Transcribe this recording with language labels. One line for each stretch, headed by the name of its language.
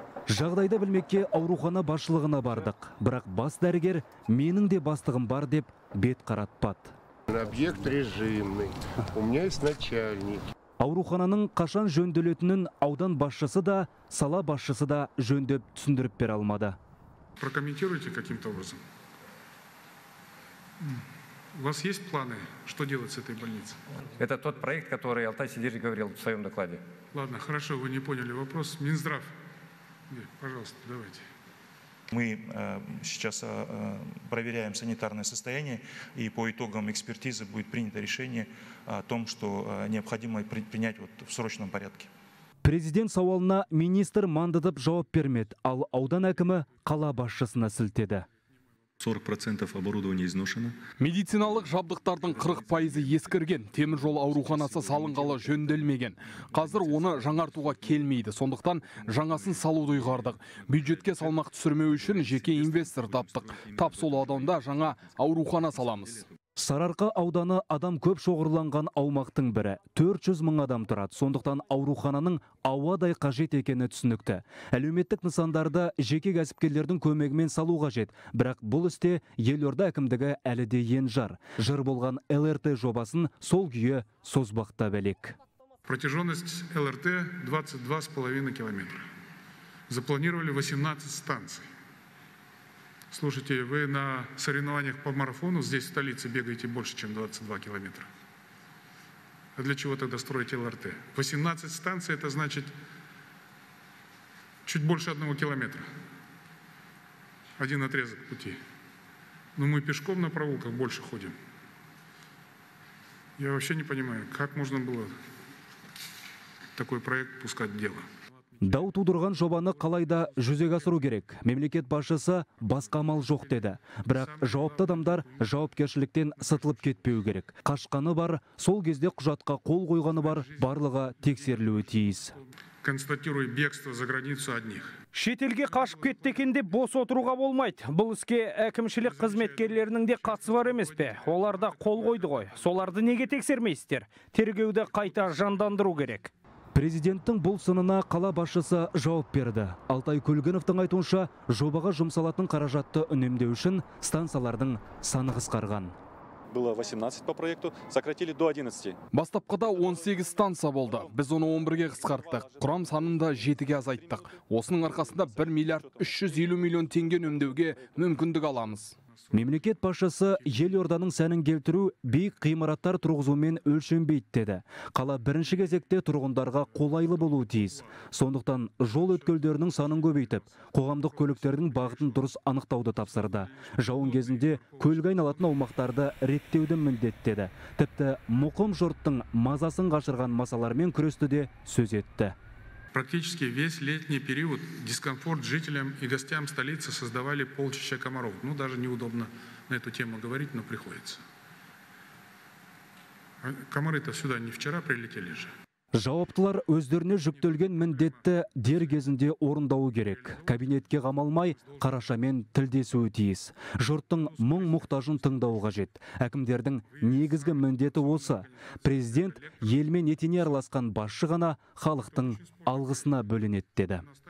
Kazakh: Жағдайды білмекке аурухана басшылығына бардық. Бірақ бас дәрігер менің де бастығым бар деп бет қаратпады.
Russian: Объект режимный. У меня есть начальник.
Kazakh: Аурухананың қашан жөнделетінін аудан басшысы да, сала басшысы да жөндеп түсіндіріп бере алмады.
Russian: Прокомментируйте каким-то образом. У вас есть планы, что делать с этой больницей? Это тот проект, который Алтай Сидирович говорил в своем докладе. Ладно, хорошо, вы не поняли вопрос. Минздрав. Пожалуйста, давайте. Мы сейчас проверяем санитарное состояние, и по итогам экспертизы будет принято решение о том, что необходимо принять вот в срочном порядке.
Kazakh: Президент сауалына министр мандатып жауап бермеді, ал аудан әкімі қала басшысына сілтеді.
Russian: 40% оборудования изношено.
Kazakh: Медициналық жабдықтардың 40% ескірген, темір жол ауруханасы салынғалы жөнделмеген. Қазір оны жаңартуға келмейді, сондықтан жаңасын салуды ұйғардық. Бюджетке салмақ түсірмеу үшін жеке инвестор таптық. Тап сол ауданда жаңа аурухана саламыз. Сарыарқа ауданы адам көп шоғырланған аумақтың бірі. 400 мың адам тұрады. Сондықтан аурухананың ауадай қажет екені түсінікті. Әлеуметтік нысандарды жеке кәсіпкерлердің көмегімен салу қажет. Бірақ бұл істе Елорда әкімдігі әлі де енжар. Жыр болған ЛРТ жобасын сол күйі созбақта бәлек.
Russian: Протяженность ЛРТ 22,5 километра. Запланировали 18 станций. Слушайте, вы на соревнованиях по марафону здесь, в столице, бегаете больше, чем 22 километра. А для чего тогда строите ЛРТ? 18 станций – это значит чуть больше 1 километра. Один отрезок пути. Но мы пешком на проулках больше ходим. Я вообще не понимаю, как можно было такой проект пускать в дело.
Kazakh: Дау тудырған жобаны қалайда жүзеге асыру керек. Мемлекет басшысы басқа амал жоқ деді. Бірақ жауапты адамдар жауапкершіліктен сытылып кетпеуі керек. Қашқаны бар, сол кезде құжатқа қол қойғаны бар, барлығы тексерілуі тиіс.
Russian: Констатирую бегство за границу одних.
Kazakh: Шетелге қашып кеттекенде бос отыруға болмайды. Бұл іске әкімшілік қызметкерлерінің де қатысы бар емес пе? Олар да қол қойды ғой. Соларды неге тексермейсіздер? Тергеуді қайта жандандыру керек. Президенттің бұл сынына қала басшысы жауап берді. Алтай Көлгіновтың айтуынша, жобаға жұмсалатын қаражатты үнемдеу үшін станциялардың саны қысқарған.
Russian: Было 18 по проекту, сократили до 11.
Kazakh: Бастапқыда 18 станция болды. Біз оны 11-ге қысқарттық. Құрам санында 7-ге азайттық. Осының арқасында 1 миллиард 350 миллион теңге үнемдеуге мүмкіндік аламыз. Мемлекет басшысы Елорданың сәнін келтіру биік ғимараттар тұрғызумен өлшенбейді деді. Қала бірінші кезекте тұрғындарға қолайлы болуы тиіс. Сондықтан жол өткелдерінің санын көбейтіп, қоғамдық көліктердің бағытын дұрыс анықтауды тапсырды. Жауын кезінде көлге айналатын аумақтарды реттеуді міндеттеді. Тіпті мұқым жұрттың мазасын қашырған масалармен күресті де сөз етті.
Russian: Практически весь летний период дискомфорт жителям и гостям столицы создавали полчища комаров. Ну, даже неудобно на эту тему говорить, но приходится. Комары-то сюда не вчера прилетели же.
Kazakh: Жауаптылар өздеріне жүктелген міндетті дер кезінде орындауы керек. Кабинетке қамалмай, қарашамен тілдесуі тиіс. Жұрттың мұң мұқтажын тыңдауы қажет. Әкімдердің негізгі міндеті осы. Президент елмен етене араласқан басшы ғана халықтың алғысына бөленеді деді.